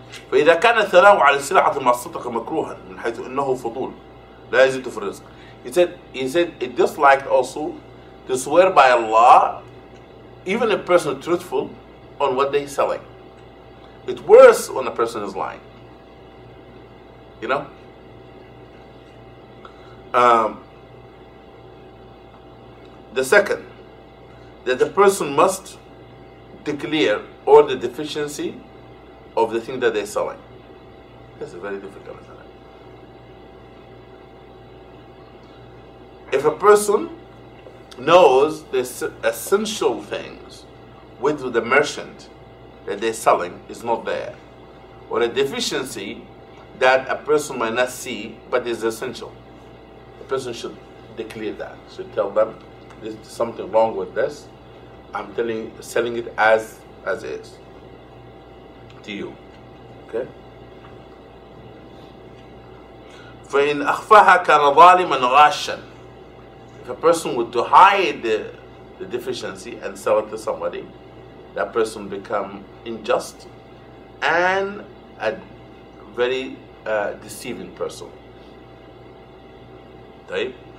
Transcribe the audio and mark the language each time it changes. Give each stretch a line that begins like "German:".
Arabic: فإذا كان الثناء على السلعة المصدقة مكروها من حيث أنه فضول لا يزيد في الرزق.
English: He said, it disliked also to swear by Allah, even a person truthful on what they're selling. It's worse when a person is lying. You know? The second, that the person must declare all the deficiency of the thing that they're selling. That's a very difficult thing. a person knows the essential things with the merchant that they're selling is not there, or a deficiency that a person might not see but is essential, a person should declare that. Should tell them there's something wrong with this. I'm selling it as is to you. Okay.
Arabic: فإن أخفاها كان ظالما غاشا.
English: If a person were to hide the deficiency and sell it to somebody, that person become unjust and a very deceiving person.
Arabic: طيب.